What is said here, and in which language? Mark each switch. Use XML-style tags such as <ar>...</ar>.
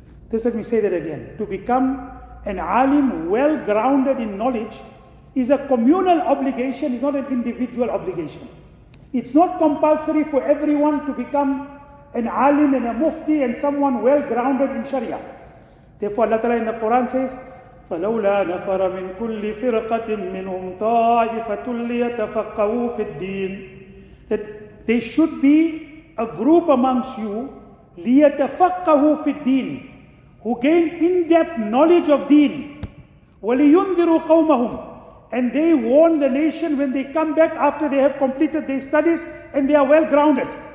<en>Just let me say that again. To become an alim well-grounded in knowledge is a communal obligation, it's not an individual obligation. It's not compulsory for everyone to become an alim and a mufti and someone well-grounded in Sharia. Therefore, Allah Ta'ala in the Quran says,</en> <ar>فَلَوْلَا نَفَرَ مِنْ كُلِّ فِرْقَةٍ مِّنْهُمْ طَائِفَةٌ لِيَتَفَقَّهُوا فِي الدِّينِ.</ar> <en>That there should be a group amongst you,</en> <ar>لِيَتَفَقَّهُوا فِي الدِّينِ,</ar> <en>who gain in-depth knowledge of deen,</en> <ar>وَلِيُنْذِرُوا قَوْمَهُمْ,</ar> <en>and they warn the nation when they come back after they have completed their studies and they are well-grounded.</en>